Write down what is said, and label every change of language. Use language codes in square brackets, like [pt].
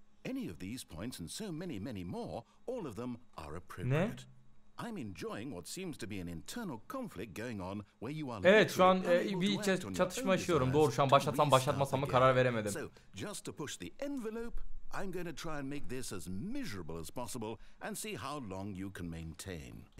[en] Any of these points and so many, many more, all of them are appropriate. [tr] Ne? [en] I'm enjoying what seems to be an internal conflict going on where you are. [tr] Evet, şu an bir çatışma yaşıyorum. Doğru, şu an başlatsam başlatmasam mı karar veremedim. [en] So, just to push the envelope, I'm going to try and make this as miserable as possible and see how long you can maintain.